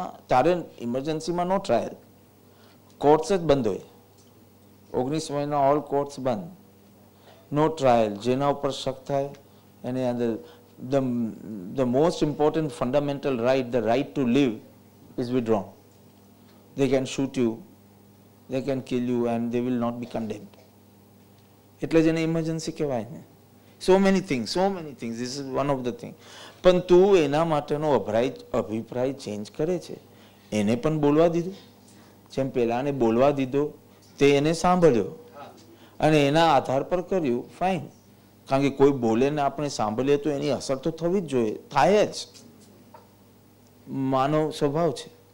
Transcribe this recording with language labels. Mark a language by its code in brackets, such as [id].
[gu] તારે ઇમરજન્સીમાં નો trial, courts જ બંધ હોય 19 મહિના, ઓલ કોર્ટ્સ બંધ, નો ટ્રાયલ. જેના ઉપર શક થાય એને અંદર [en] The most important fundamental right, the right to leave is withdrawn. They can shoot you, they can kill you, and they will not be condemned. [gu] એટલે જેને ઇમરજન્સી કહેવાય ને. [en] So many things, this is one of the thing. [gu] પણ તું એના માટેનો અભિપ્રાય change કરે છે, એને પણ બોલવા દીધું. જેમ પહેલાંને બોલવા દીધો તે એને સાંભળ્યો અને એના આધાર પર કર્યું, ફાઇન. કારણ કે કોઈ બોલે ને આપણે સાંભળીએ તો એની અસર તો થવી જ જોઈએ, થાય જ, માનવ સ્વભાવ છે.